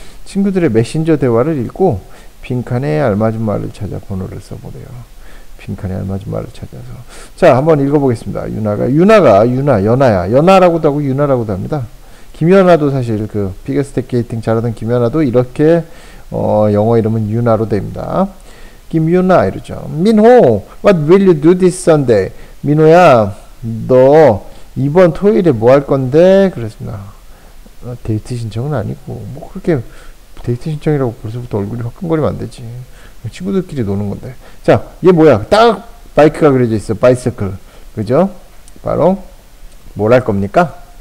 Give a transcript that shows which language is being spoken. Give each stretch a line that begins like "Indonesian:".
Korean: 친구들의 메신저 대화를 읽고 빈칸에 알맞은 말을 찾아 번호를 써보래요. 빈칸에 알맞은 말을 찾아서 자 한번 읽어보겠습니다. 유나 연아야. 연아라고도 하고 유나라고도 합니다. 김연아도 사실 그 피겨스텝 게이팅 잘하던 김연아도 이렇게 영어 이름은 유나로 됩니다. 김유나 이러죠.
English: 민호 What will you do this Sunday?
Korean: 민호야 너 이번 토요일에 뭐 할 건데? 그랬습니다. 데이트 신청은 아니고 뭐 그렇게 데이트 신청이라고 벌써부터 얼굴이 화끈거리면 안 되지. 친구들끼리 노는 건데. 자, 얘 뭐야? 딱 바이크가 그려져 있어. 바이서클. 그죠? 바로 뭘 할 겁니까?